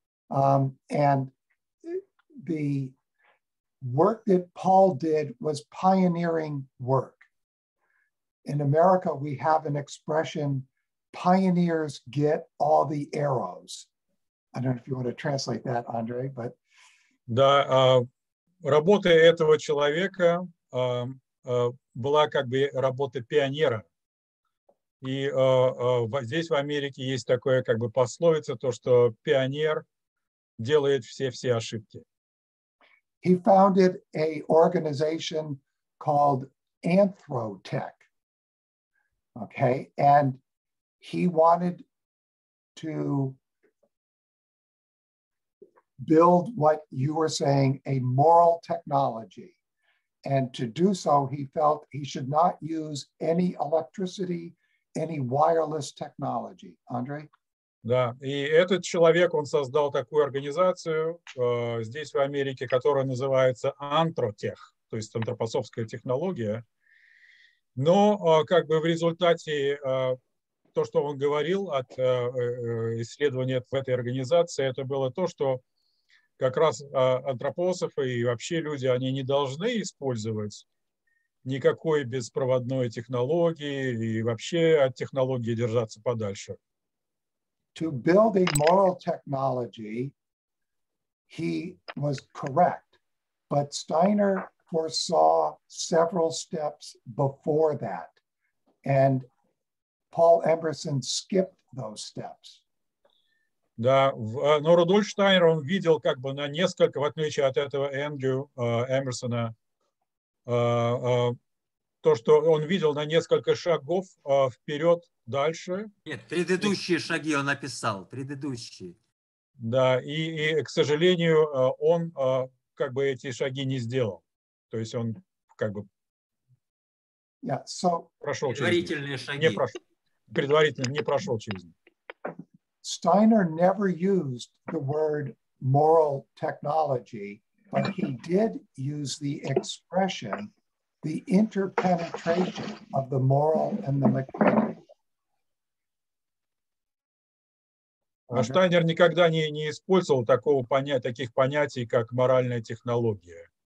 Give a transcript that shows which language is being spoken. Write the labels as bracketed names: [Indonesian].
[English] And the work that Paul did was pioneering work. In America, we have an expression, pioneers get all the arrows. I don't know if you want to translate that, Andre, but... [Russian] Да, работа этого человека была как бы работа пионера. И здесь в Америке есть такое как бы пословица, то, что пионер делает все ошибки. [English] He founded a organization called Anthrotech. Okay, and he wanted to build what you were saying, a moral technology. And to do so, he felt he should not use any electricity, any wireless technology. Andre? [Russian] Да, и этот человек, он создал такую организацию здесь, в Америке, которая называется Anthrotech, то есть антропософская технология. Но как бы в результате то, что он говорил от исследования в этой организации, это было то, что как раз антропософы и вообще люди, они не должны использовать никакой беспроводной технологии и вообще от технологии держаться подальше. [English] To build a moral technology, he was correct, but Steiner foresaw several steps before that, and Paul Emerson skipped those steps. [Russian] Да, но Рудольф Штайнер, он видел как бы на несколько, в отличие от этого Эндрю Эмерсона, то, что он видел на несколько шагов вперед дальше. Нет, предыдущие шаги он написал, предыдущие. Да, и к сожалению, он как бы эти шаги не сделал. То есть он как бы прошел предварительные через шаги. Не прошел, предварительно не прошел через них. [English] Steiner never used the word moral technology, but he did use the expression the interpenetration of the moral and the mechanical. [Russian] Штайнер никогда не использовал такого понятия, таких понятий, как моральная технология.